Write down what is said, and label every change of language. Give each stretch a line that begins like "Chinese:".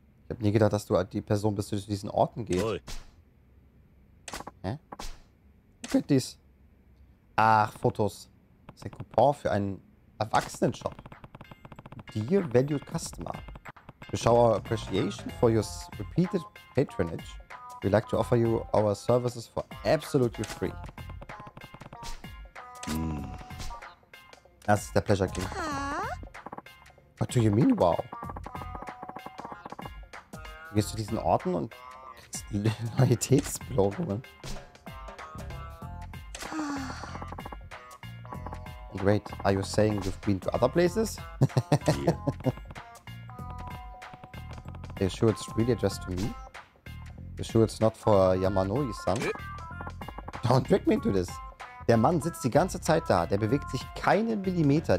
German: hab nie gedacht, dass du die Person bist, die zu diesen Orten geht. Hä?
English: Look at this.
German: Ach, Fotos. Das ist ein Coupon für einen Erwachsenen-Shop.
English: Dear valued customer. To show our appreciation for your repeated patronage, we'd like to offer you our services for absolutely free. That's the pleasure king. What do you mean, wow?
German: Du gehst zu diesen Orten und kriegst Loyalitätsbelohnungen.
English: Great. Are you saying you've been to other places? Yeah. Are you sure it's really addressed to me? Are you sure it's not for Yamanoi-san? Don't trick me into this.
German: Der Mann sitzt die ganze Zeit da. Der bewegt sich keinen Millimeter.